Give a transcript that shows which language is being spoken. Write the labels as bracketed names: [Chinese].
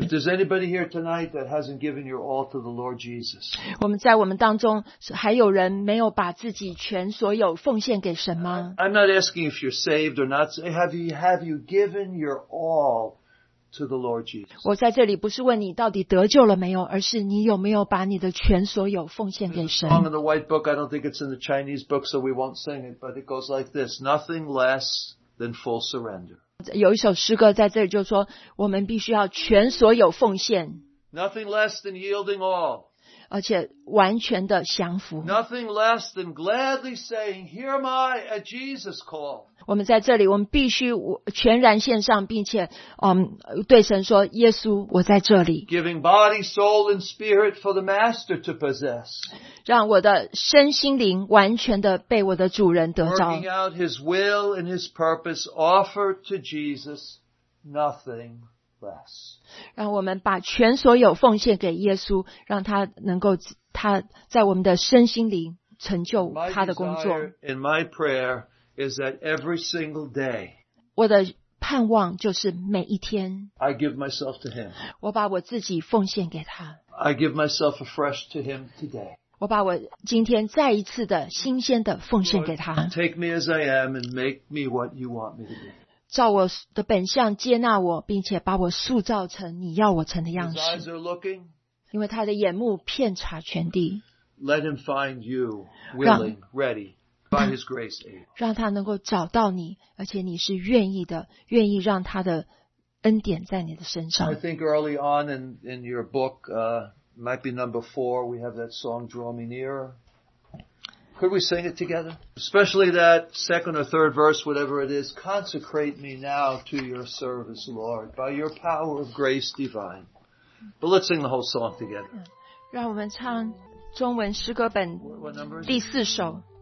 [English] If there's anybody here tonight that hasn't given your all to the Lord Jesus. [Chinese] 我们在我们当中还有人没有把自己全所有奉献给神吗？ [English] I'm not asking if you're saved or not. Have you given your all to the Lord Jesus? [Chinese] 我在这里不是问你到底得救了没有，而是你有没有把你的全所有奉献给神。 [English] There's a song in the white book. I don't think it's in the Chinese book, so we won't sing it. But it goes like this: Nothing less than full surrender. [Chinese] 有一首诗歌在这里就说，我们必须要全所有奉献。 [English] Nothing less than yielding all. [Chinese] 而且完全的降服。 [English] Nothing less than gladly saying, "Here am I at Jesus' call." [Chinese] 我们在这里，我们必须全然献上，并且对神说：“耶稣，我在这里。” [English] Giving body, soul, and spirit for the master to possess. [Chinese] 让我的身心灵完全的被我的主人得着。 [English] Working out His will and His purpose, offer to Jesus nothing. [Chinese] 让我们把全所有奉献给耶稣，让他能够他在我们的身心灵成就他的工作。 [English] My prayer is that every single day, [Chinese] 我的盼望就是每一天 [English] I give myself to him. [Chinese] 我把我自己奉献给他。 [English] I give myself afresh to him today. [Chinese] 我把我今天再一次的新鲜的奉献给他。 [English] Lord, take me as I am and make me what you want me to be. [Chinese] 照我的本相接纳我并且把我塑造成你要我成的样式。 [English] His eyes are looking, [Chinese] 因为他的眼目遍察全地。 [English] Let him find you willing, ready, by his grace able. [Chinese] 让他能够找到你而且你是愿意的愿意让他的恩典在你的身上。 [English] I think early on in your book, might be number four, we have that song, Draw Me Nearer. Could we sing it together? Especially that second or third verse, whatever it is. Consecrate me now to your service, Lord, by your power of grace divine. But let's sing the whole song together. [Chinese] 让我们唱中文诗歌本第四首。